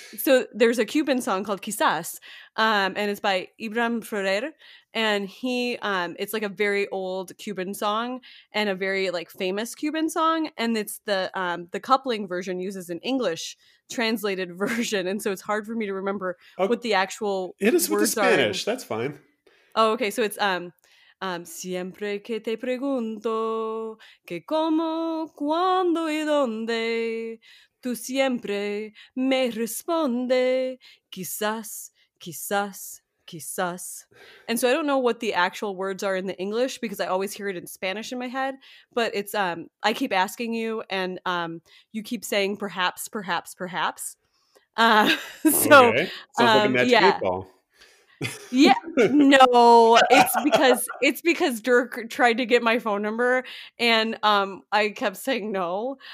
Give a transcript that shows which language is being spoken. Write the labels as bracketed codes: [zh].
[en] So there's a Cuban song called Quizás, and it's by Ibram Ferrer. And he, it's like a very old Cuban song and a very like famous Cuban song. And it's the Coupling version uses an English translated version. And so it's hard for me to remember what the actual it is words with the Spanish. Are. That's fine. Oh, okay. [es] So it's, siempre que te pregunto que cómo, cuándo y dónde, tú siempre me responde quizás, quizás, quizás. [en] And so I don't know what the actual words are in the English because I always hear it in Spanish in my head, but it's, I keep asking you and, you keep saying perhaps, perhaps, perhaps. So, okay. Sounds like a magic eight ball. Yeah, no, it's because Dirk tried to get my phone number and I kept saying no.